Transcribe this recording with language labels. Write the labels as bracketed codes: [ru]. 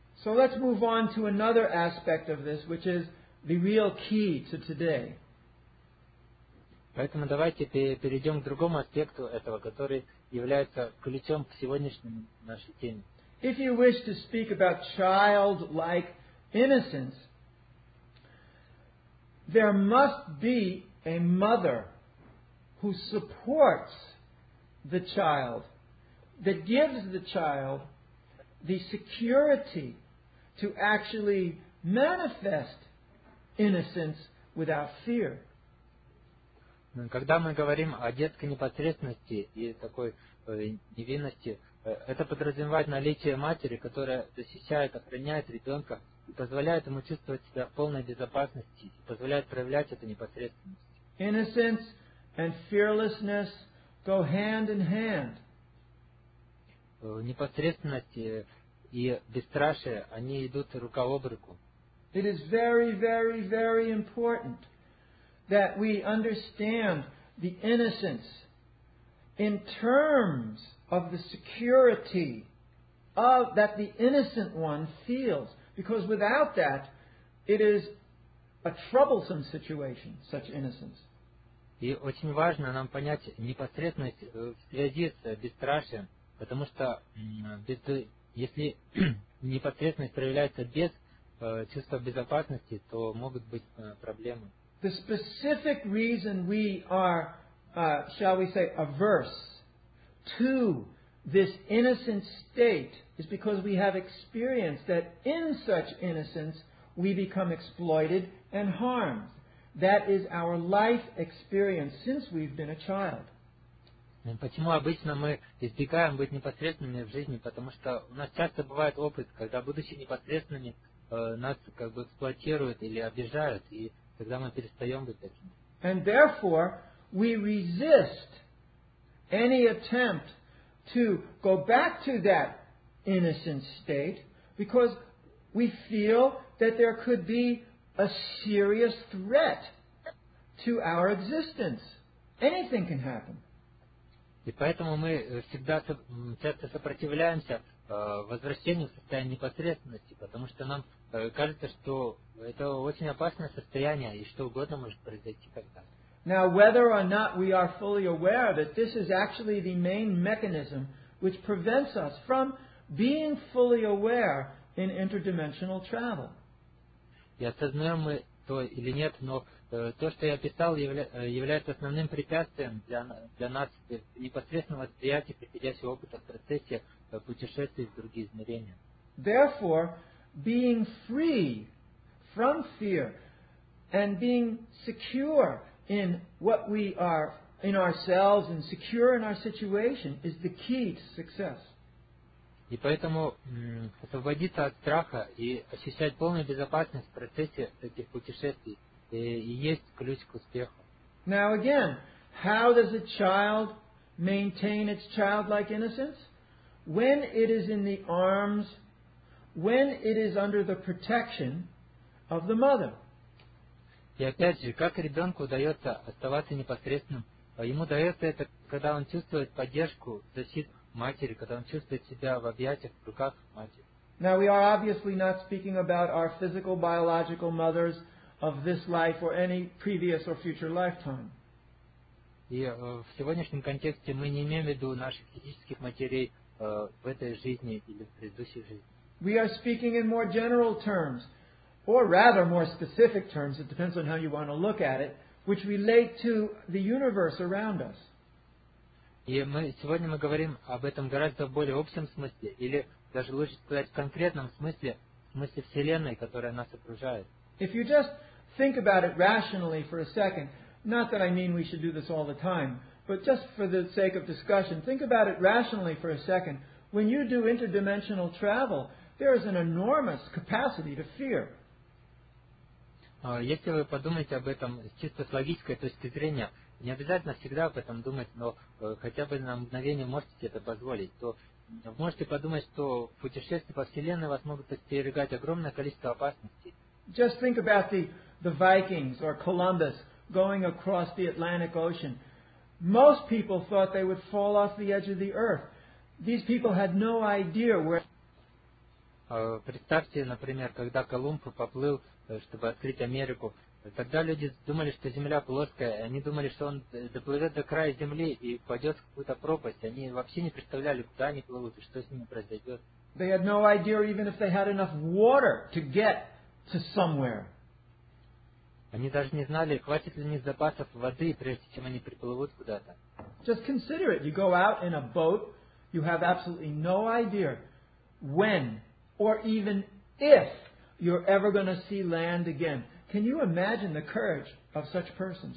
[en] So let's move on to another aspect of this, which is the real key to today. [ru] Поэтому давайте перейдем к другому аспекту этого, который является ключом к сегодняшней нашей теме. [en] If you wish to speak about childlike innocence, there must be a mother who supports the child, that gives the child the security to actually manifest innocence without fear. [ru] Когда мы говорим о детской непосредственности и такой невинности, это подразумевает наличие матери, которая защищает, охраняет ребенка и позволяет ему чувствовать себя в полной безопасности, и позволяет проявлять эту непосредственность. [en] Innocence and fearlessness go hand in hand. [ru] Непосредственность и бесстрашие, они идут рука об руку. [en] It is very, very, very important that we understand the innocence in terms of the security of that the innocent one feels. Because without that, it is a troublesome situation, such innocence. [ru] И очень важно нам понять непосредственность в связи с бесстрашием, потому что если непосредственность проявляется без чувства безопасности, то могут быть проблемы. [en] The specific reason we are, shall we say, averse to this innocent state is because we have experienced that in such innocence we become exploited and harmed. That is our life experience since we've been a child. [ru] Почему обычно мы избегаем быть непосредственными в жизни? Потому что у нас часто бывает опыт, когда будучи непосредственными нас как бы эксплуатируют или обижают, и тогда мы перестаем быть таким. [en] And therefore, we resist any attempt to go back to that innocent state because we feel that there could be a serious threat to our existence. Anything can happen. [ru] И поэтому мы всегда часто сопротивляемся возвращению в состояние непосредственности, потому что нам кажется, что это очень опасное состояние, и что угодно может произойти тогда. [en] Now, whether or not we are fully aware that this is actually the main mechanism which prevents us from being fully aware in interdimensional travel. [ru] И осознаем мы то или нет, но то, что я писал, является основным препятствием для нас непосредственного восприятия предыдущего опыта в процессе путешествий в другие измерения. [en] Therefore, being free from fear and being secure in what we are in ourselves and secure in our situation is the key to success. [ru] И поэтому освободиться от страха и ощущать полную безопасность в процессе этих путешествий и есть ключ к успеху. [en] Now again, how does a child maintain its childlike innocence? When it is in the arms, when it is under the protection of the mother. [ru] И опять же, как ребенку удается оставаться непосредственным? Ему удается это, когда он чувствует поддержку, защиту матери, когда он чувствует себя в объятиях, в руках матери. [en] Now we are obviously not speaking about our physical, biological mothers of this life or any previous or future lifetime. [ru] И в сегодняшнем контексте мы не имеем в виду наших физических матерей в этой жизни или в предыдущей жизни. [en] We are speaking in more general terms, or rather more specific terms, it depends on how you want to look at it, which relate to the universe around us. [ru] И сегодня мы говорим об этом гораздо в более общем смысле, или даже лучше сказать в конкретном смысле, в смысле Вселенной, которая нас окружает. [en] If you just think about it rationally for a second, not that I mean we should do this all the time, but just for the sake of discussion, think about it rationally for a second. When you do interdimensional travel, there is an enormous capacity to fear. [ru] Если вы подумаете об этом чисто с логической точки зрения, не обязательно всегда об этом думать, но хотя бы на мгновение можете это позволить, то можете подумать, что в путешествии по Вселенной вас могут подстерегать огромное количество опасностей. [en] Just think about the Vikings or Columbus going across the Atlantic Ocean. Most people thought they would fall off the edge of the earth. These people had no idea where... [ru] Представьте, например, когда Колумб поплыл, чтобы открыть Америку. Тогда люди думали, что Земля плоская, и они думали, что он доплывет до края Земли и упадет в какую-то пропасть. Они вообще не представляли, куда они плывут и что с ними произойдет. [en] They had no idea even if they had enough water to get to somewhere. [ru] Они даже не знали, хватит ли у них запасов воды, прежде чем они приплывут куда-то. [en] Just consider it. You go out in a boat, you have absolutely no idea when or even if you're ever going to see land again. Can you imagine the courage of such persons?